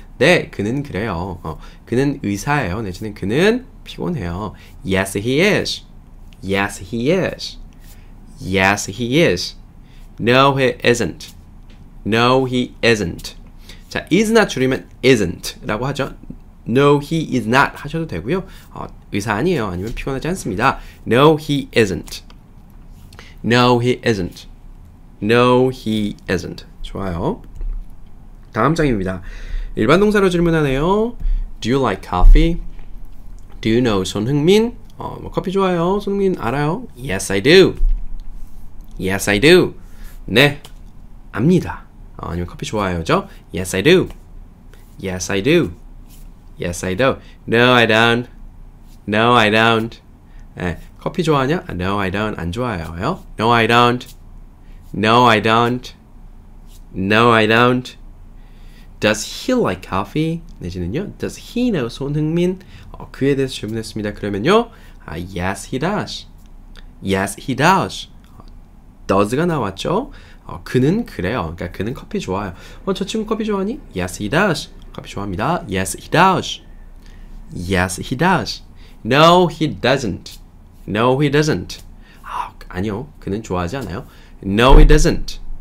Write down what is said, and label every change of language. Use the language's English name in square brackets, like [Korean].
[Korean] 네, 그는 그래요. 그는 의사예요. 내지는 그는 피곤해요. [English] Yes, he is. Yes, he is. Yes, he is. No, he isn't. No, he isn't. [Korean] 자, is not 줄이면 isn't 라고 하죠. No, he is not 하셔도 되고요. 의사 아니에요. 아니면 피곤하지 않습니다. [English] No, he isn't. No, he isn't. No, he isn't. [Korean] 좋아요. 다음 장입니다. 일반 동사로 질문하네요. [English] Do you like coffee? Do you know 손흥민? [Korean] 뭐 커피 좋아요. 손흥민 알아요? [English] Yes, I do. Yes, I do. [Korean] 네, 압니다. 아니면 커피 좋아요죠? [English] Yes, I do. Yes, I do. Yes, I do. No, I don't. No, I don't. [Korean] 네, 커피 좋아하냐? [English] No, I don't. [Korean] 안 좋아해요. [English] No, I don't. No, I don't. No, I don't. Does he like coffee? [Korean] 내지는요. [English] Does he know 손흥민? [Korean] 그에 대해서 질문했습니다. 그러면요. [English] Yes, he does. Yes, he does. [Korean] Does가 나왔죠. 그는 그래요. 그러니까 그는 커피 좋아요. 저 친구 커피 좋아하니? [English] Yes, he does. [Korean] 커피 좋아합니다. [English] Yes, he does. Yes, he does. No, he doesn't. No, he doesn't. [Korean] 아니요. 그는 좋아하지 않아요. [English] No, he doesn't.